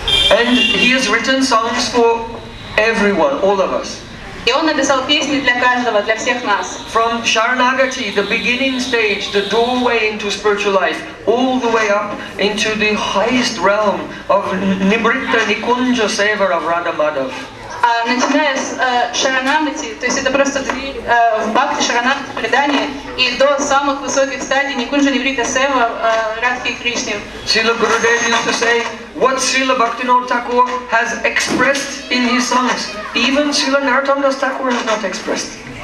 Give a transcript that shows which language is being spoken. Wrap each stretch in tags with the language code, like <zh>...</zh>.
<en>And he has written songs for everyone, all of us.</en> <ru>И он написал песни для каждого, для всех нас.</ru> <en>From Sharanagati, the beginning stage, the doorway into spiritual life, all the way up into the highest realm of Nibritta Nikunja Seva of Radha Madhav.</en> <ru>начиная с шаранамати, то есть это просто в бхакти шаранамати предание, и до самых высоких стадий никунжа неврита сева радхи кришне.</ru> <en>Srila Gurudev used to say, what Srila Bhaktivinoda Thakur has expressed in his songs, even Srila Narottama Das Thakur has not expressed.</en>